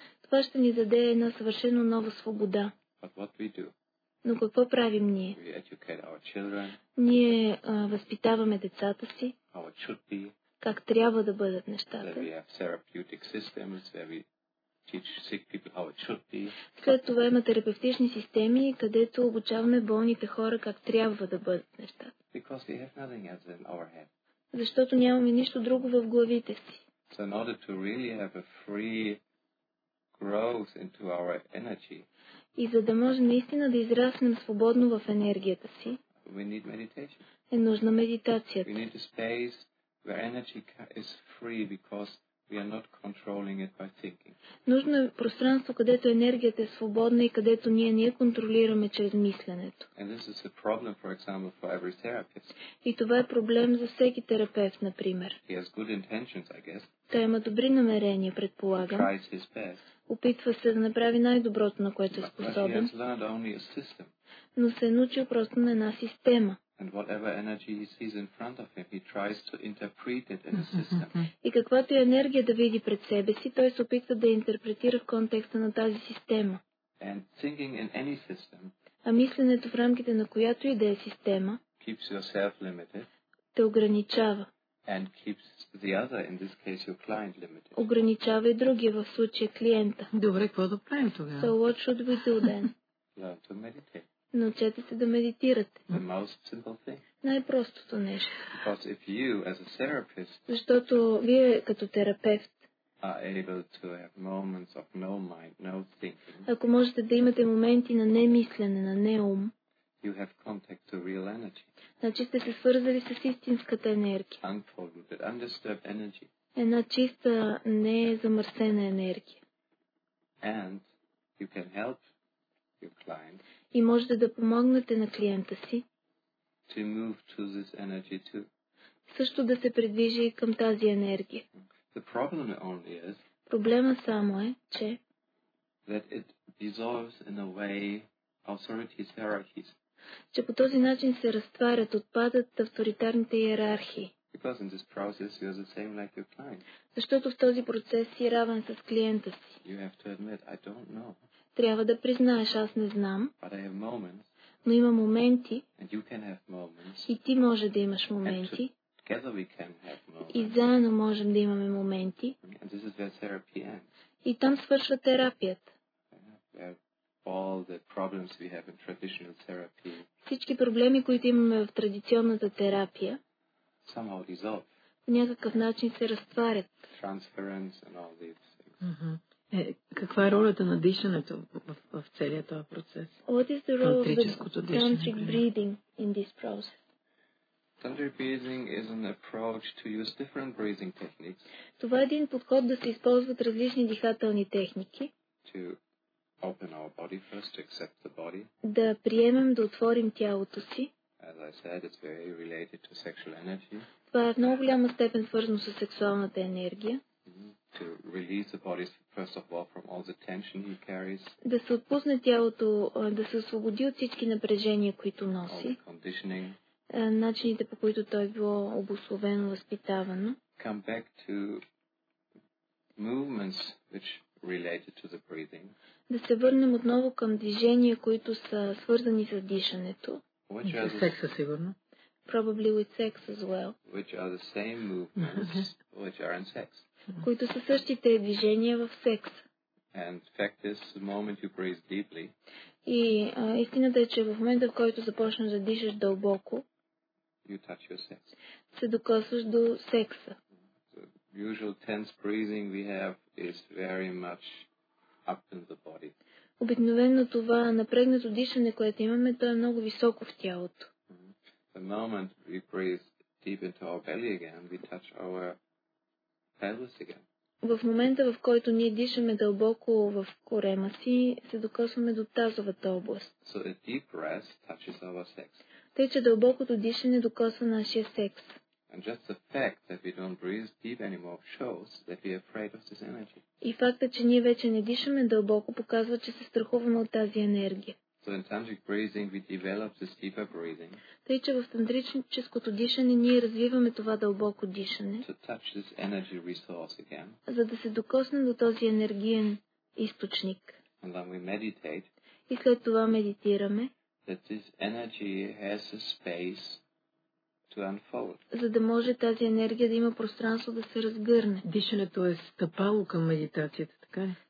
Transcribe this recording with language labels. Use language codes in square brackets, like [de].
[bg] Това ще ни даде една съвършено нова свобода. [en] But what we do? [bg] Но какво правим ние? [en] We educate our children, [bg] ние възпитаваме децата си, [en] how it should be, [bg] как трябва да бъдат нещата. [en] We have therapeutic systems where we teach sick people how it should be. [bg] След това има терапевтични системи, където обучаваме болните хора как трябва да бъдат нещата. [en] Because we have nothing else in our head. [bg] Защото нямаме нищо друго в главите си. [en] So in order to really have a free growth into our energy, [bg] и за да можем наистина да израснем свободно в енергията си, [en] we need meditation. [bg] Е нужна медитацията. [en] We need a space where energy is free because We are not controlling it by thinking. [bg] Нужно е пространство, където енергията е свободна и където ние не контролираме чрез мисленето. [en] And this is a problem, for example, for every therapist. [bg] И това е проблем за всеки терапевт, например. [en] He has good intentions, I guess. [bg] Той има добри намерения, предполагам. [en] He tries his best. [bg] Опитва се да направи най-доброто, на което е способен. [en] But he has learned only a system. [bg] Но се е научил просто на една система. [en] And whatever energy he sees in front of him, he tries to interpret it in a system. [bg] И каквато енергия да види пред себе си, той се опитва да интерпретира в контекста на тази система. [en] And thinking in any system. [bg] А мисленето в рамките на която и да е система. [en] Keeps yourself limited. [bg] Те ограничава. [en] And keeps the other, in this case your client, limited. [bg] Ограничава и другия, в случая клиента. Добре, какво да правим тогава? [en] So what should we do then? Learn to meditate. [bg] Научете се да медитирате. [en] The most simple thing. [bg] Най-простото нещо. [en] Because if you, as a therapist, [bg] защото вие като терапевт [en] are able to have moments of no mind, no thinking, [bg] ако можете да имате моменти на немислене, на неум, [en] you have contact to real energy. [bg] Значи сте се свързали с истинската енергия. [en] Unfolded, undisturbed energy. [bg] Една чиста, незамърсена енергия. [en] And you can help your client. [bg] И можете да помогнете на клиента си [en] to move to this energy too. [bg] Също да се придвижи към тази енергия. [en] The problem only is, [bg] проблема само е, че [en] that it dissolves in a way authorities hierarchies. [bg] Че по този начин се разтварят, отпадат авторитарните иерархии. [en] Because in this process you are the same like your client. [bg] Защото в този процес си равен с клиента си. [en] You have to admit, I don't know. [bg] Трябва да признаеш, аз не знам, [en] but I have moments, [bg] но има моменти, [en] and you can have moments, [bg] и ти може да имаш моменти, [en] and together we can have moments, [bg] и заедно можем да имаме моменти, [en] and this is where therapy ends. [bg] И там свършва терапията. [en] Where all the problems we have in traditional therapy, [bg] всички проблеми, които имаме в традиционната терапия, [en] somehow dissolve, [bg] по някакъв начин се разтварят. [en] Transference and all these things. Mm-hmm. [bg] Каква е ролята на дишането в целия този процес? [en] What is the role of the tantric breathing in this process? Tantric breathing is an approach to use different breathing techniques. [bg] Това е един подход да се използват различни дихателни техники. [en] To open our body first, to accept the body. [bg] Да приемем, да отворим тялото си. [en] As I said, it's very related to sexual energy. [bg] Това е в много голяма степен свързано с сексуалната енергия. [en] To release the body first of all from all the tension he carries. [bg] Да се отпусне тялото, да се освободи от всички напрежения, които носи. [en] All the conditioning. [bg] Начините, по които той било обусловено, възпитавано. [en] Come back to movements which related to the breathing. [bg] Да се върнем отново към движения, които са свързани с дишането. [en] Which are the [bg] секса, сигурно. [en] Probably with sex as well. Which are the same movements which are in sex. [bg] Които са същите движения в секс. [en] And fact is, the moment you breathe deeply, [bg] и истината е, че в момента, в който започнеш да дишаш дълбоко, [en] you touch your sex. [bg] Се докосваш до секса. [en] The usual tense breathing we have is very much up in the body. [bg] Обикновено това напрегнато дишане, което имаме, то е много високо в тялото. [en] The moment we breathe deep into our belly again, we touch our pelvis again. [bg] В момента, в който ние дишаме дълбоко в корема си, се докосваме до тазовата област. [en] So a deep breath touches our sex. [bg] Тъй, че дълбокото дишане докосва нашия секс. [en] And just the fact that we don't breathe deep anymore shows that we are afraid of this energy. [bg] И факта, че ние вече не дишаме дълбоко, показва, че се страхуваме от тази енергия. [en] So in tantric breathing we develop this deeper breathing. [bg] Тъй, че в тантрическото дишане ние развиваме това дълбоко дишане. [en] To touch this energy resource again. [bg] За да се докоснем до този енергиен източник. [en] And then we meditate. [bg] И след това медитираме. [en] That this energy has a space to unfold. [bg] За да може тази енергия да има пространство да се разгърне. Дишането е стъпало към медитацията, така ли?